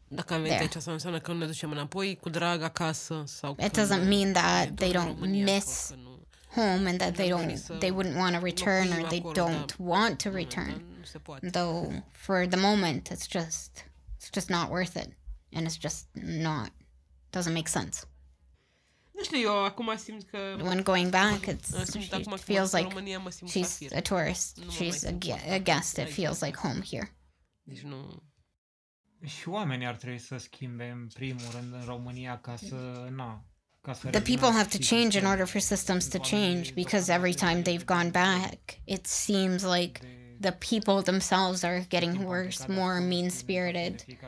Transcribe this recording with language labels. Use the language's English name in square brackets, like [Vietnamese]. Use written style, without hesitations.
[Romanian] Dacă am venit aici, asta înseamnă că nu ne ducem înapoi cu drag acasă sau [English] It doesn't mean that they don't miss home and that they wouldn't want to return or they don't want to return. Though for the moment it's just not worth it and it's just not doesn't make sense. [Romanian] Nu știu, eu acum simt că [English] when going back it feels like she's a tourist. She's a guest. It feels like home here. [Romanian] Deci nu. Și oamenii ar trebui să schimbe în primul rând în România ca să, na, ca să [English] The people have to change in order for systems to change because every time they've gone back, it seems like the people themselves are getting worse, more mean-spirited.